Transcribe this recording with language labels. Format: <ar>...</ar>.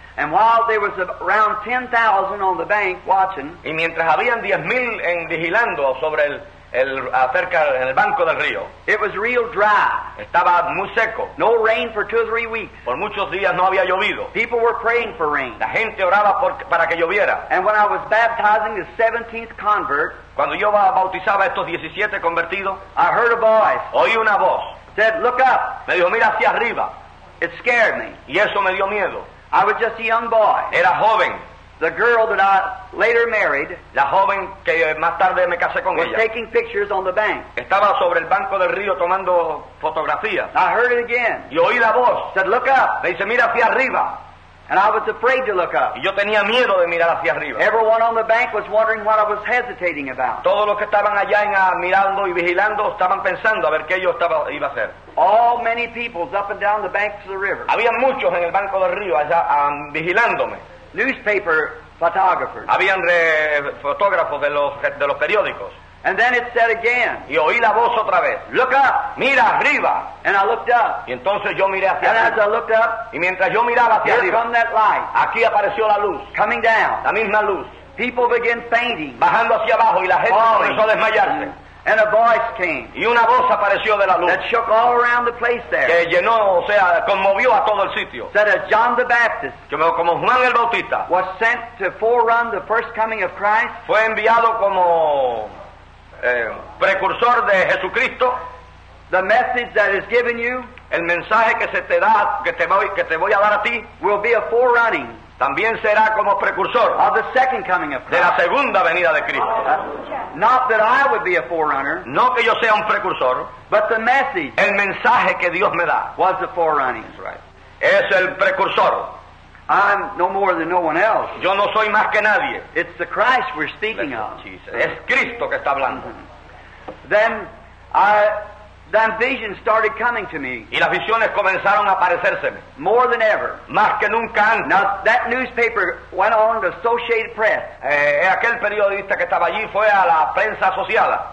<en>And while there was around 10,000 on the bank watching,</en> <es>y mientras habían 10,000 en vigilando sobre acerca en el banco del río,</es> <en>it was real dry.</en> <es>Estaba muy seco.</es> <en>No rain for 2 or 3 weeks.</en> <es>Por muchos días no había llovido.</es> <en>People were praying for rain.</en> <es>La gente oraba para que lloviera.</es> <en>And when I was baptizing the 17th convert,</en> <es>cuando yo bautizaba estos 17 convertidos,</es> <en>I heard a voice.</en> <es>Oí una voz.</es> <en>Said, "Look up."</en> <es>Me dijo, "Mira hacia arriba."</es> <en>It scared me.</en> <es>Y eso me dio miedo.</es> <en>I was just a young boy.</en> <es>Era joven.</es> <en>The girl that I later married,</en> <es>la joven que más tarde me casé con</es> <en>was</en> <es>ella,</es> <en>taking pictures on the bank.</en> <es>Estaba sobre el banco del río tomando fotografías.</es> <en>I heard it again.</en> <es>Y oí la voz.</es> <en>Said, "Look up."</en> <es>Me dice, "Mira hacia arriba."</es> <en>And I was afraid to look up.</en> <es>Y yo tenía miedo de mirar hacia arriba.</es> <en>Everyone on the bank was wondering what I was hesitating about.</en> <es>Todos los que estaban allá mirando y vigilando estaban pensando a ver qué yo iba a hacer.</es> <en>All many people up and down the banks of the river.</en> <es>Había muchos en el banco del río allá vigilándome.</es> <en>Newspaper photographers.</en> <es>Habían fotógrafos de los periódicos.</es> <en>And then it said again.</en> <es>Y oí la voz otra vez.</es> <en>Look up.</en> <es>Mira arriba.</es> <en>And I looked up.</en> <es>Y entonces yo miré hacia</es> <en>and</en> <es>arriba.</es> <en>As I looked up.</en> <es>Y mientras yo miraba hacia</es> <en>here</en> <es>arriba.</es> <en>Come that light.</en> <es>Aquí apareció la luz.</es> <en>Coming down.</en> <es>La misma luz.</es> <en>People began fainting.</en> <es>Bajando hacia abajo y la gente comenzó a desmayarse.</es> <en>And a voice came.</en> <es>Y una voz apareció de la luz.</es> <en>That shook all around the place there.</en> <es>Que llenó, o sea, conmovió a todo el sitio.</es> <en>Said as John the Baptist.</en> <es>Como Juan el Bautista.</es> <en>Was sent to forerun the first coming of Christ.</en> <es>Fue enviado como precursor de Jesucristo.</es> <en>The message that is given you,</en> <es>el mensaje que se te da, que te voy a dar a ti,</es> <en>will be a forerunning,</en> <es>también será como precursor</es> <en>of the second coming of Christ,</en> <es>de la segunda venida de Cristo.</es> <en>Not that I would be a forerunner,</en> <es>no que yo sea un precursor,</es> <en>but the message,</en> <es>el mensaje que Dios me da,</es> <en>was the forerunning. That's right.</en> <es>Es el precursor.</es> <en>I'm no more than no one else.</en> <es>Yo no soy más que nadie.</es> <en>It's the Christ we're speaking of.</en> <es>Es Cristo que está hablando.</es> <en>Then the visions started coming to me.</en> <es>Y las visiones comenzaron a aparecérseme.</es> <en>More than ever.</en> <es>Más que nunca antes.</es> <en>Now that newspaper went on to Associated Press.</en> <es>Aquel periodista que estaba allí fue a la prensa asociada.</es>